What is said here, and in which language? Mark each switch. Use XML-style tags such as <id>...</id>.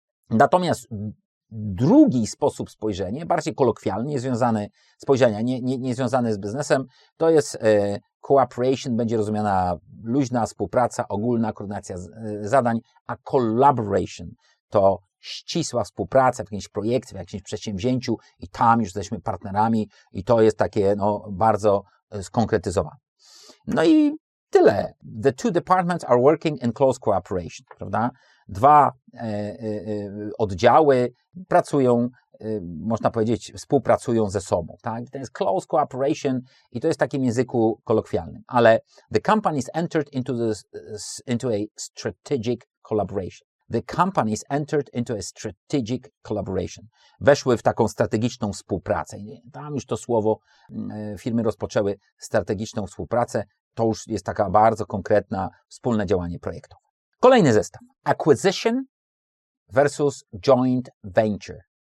<pl>Natomiast drugi sposób spojrzenia, bardziej kolokwialny, niezwiązany z biznesem, to jest cooperation, będzie rozumiana luźna współpraca, ogólna koordynacja zadań, a collaboration to ścisła współpraca w jakimś projekcie, w jakimś przedsięwzięciu i tam już jesteśmy partnerami i to jest takie no, bardzo skonkretyzowane. No i tyle.</pl> <en>The two departments are working in close cooperation,</en> <pl>prawda? Dwa oddziały pracują, można powiedzieć, współpracują ze sobą, tak? To jest close cooperation i to jest w takim języku kolokwialnym, ale</pl> <en>the companies entered into a strategic collaboration. The companies entered into a strategic collaboration.</en> <pl>Weszły w taką strategiczną współpracę. Tam już to słowo, firmy rozpoczęły strategiczną współpracę. To już jest taka bardzo konkretna wspólne działanie projektowe. Kolejny zestaw.</pl> <en>Acquisition versus joint venture.</en>